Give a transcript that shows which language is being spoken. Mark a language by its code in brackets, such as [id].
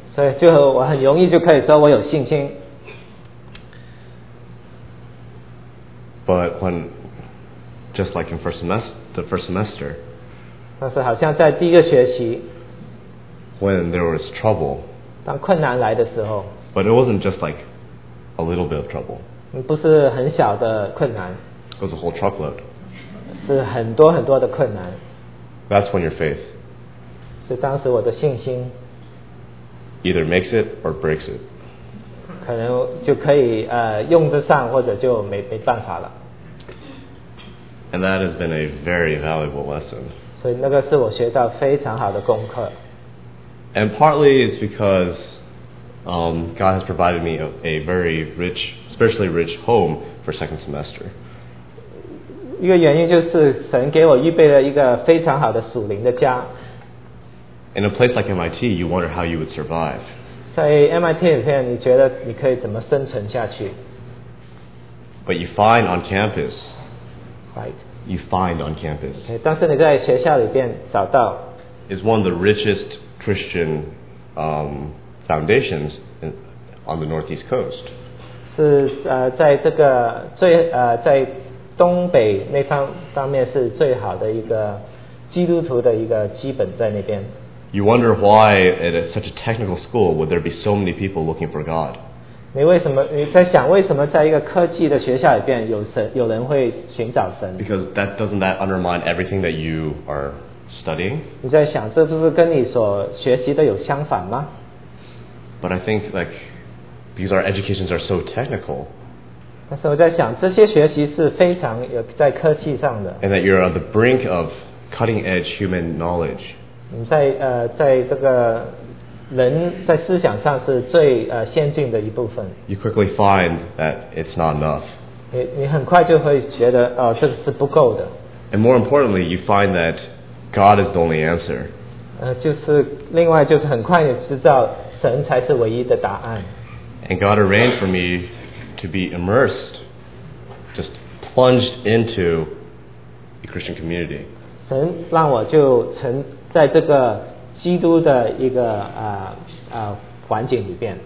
[zh] 所以就我很容易就可以说我有信心。 [en] But when, just like in the first semester. [zh] 但是好像在第一个学期。 [en] When there was trouble. [zh] 当困难来的时候。 [en] But it wasn't just like a little bit of trouble. [zh] 不是很小的困难。 [en] It was a whole truckload. [zh] 是很多很多的困难。 [en] That's when your faith. [zh] 是当时我的信心。 [en] Either makes it or breaks it. [zh] 可能就可以用得上，或者就没办法了。 [en] And that has been a very valuable lesson. [zh] 所以那个是我学到非常好的功课。 [en] And partly it's because God has provided me a very rich, spiritually rich home for second semester. [zh] 一个原因就是神给我预备了一个非常好的属灵的家。 [en] In a place like MIT, you wonder how you would survive. [zh] 在 MIT 里面，你觉得你可以怎么生存下去 [en] ？But you find on campus. Right. You find on campus. [zh] 但是你在学校里边找到。 [en] Is one of the richest Christian foundations on the Northeast Coast. [zh] 是在这个最在。东北那方面是最好的一个基督徒的一个基本在那边。 [en] You wonder why at such a technical school would there be so many people looking for God? [zh] 你在想为什么在一个科技的学校里边有人会寻找神 [en] ？Because doesn't that undermine everything that you are studying? [zh] 你在想这不是跟你所学习的有相反吗 [en] ？But I think like because our educations are so technical. [zh] 但是我在想，这些学习是非常有在科技上的。 [en] And that you're on the brink of cutting-edge human knowledge. [zh] 你在在这个人在思想上是最先进的一部分。 [en] You quickly find that it's not enough. [zh] 你很快就会觉得这个是不够的。 [en] And more importantly, you find that God is the only answer. [zh] 就是另外就是很快你知道神才是唯一的答案。 [en] And God arranged for me. To be immersed, just plunged into a Christian community. [zh] 神让我就沉在这个基督的一个环境里边。